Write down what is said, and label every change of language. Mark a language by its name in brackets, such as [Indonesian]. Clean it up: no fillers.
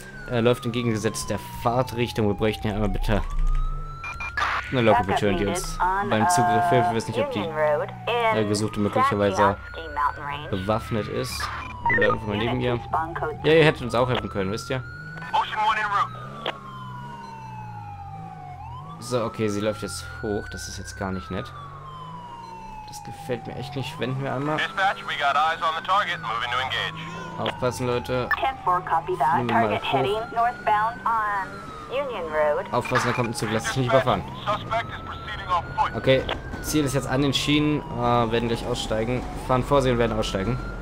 [German] Läuft entgegengesetzt der Fahrtrichtung. Wir bräuchten hier einmal bitte eine Lokomotive, die uns beim Zugriff hilft. Wir wissen nicht, ob die gesuchte möglicherweise bewaffnet ist. Oder irgendwo mal neben ihr. Ja, ihr hättet uns auch helfen können, wisst ihr? So, okay, sie läuft jetzt hoch. Das ist jetzt gar nicht nett. Das gefällt mir echt nicht, wenden wir einmal. [English] Dispatch, we got eyes on the target, moving to engage. [German] Aufpassen, Leute. [English] 10-4, copy that. Target heading northbound on Union Road. [German] Aufpassen, da kommt ein Zug, lass dich nicht überfahren. [English] Suspect is proceeding on foot. [German] Okay, Ziel ist jetzt an den Schienen, werden gleich aussteigen. Fahren vor sie und werden aussteigen.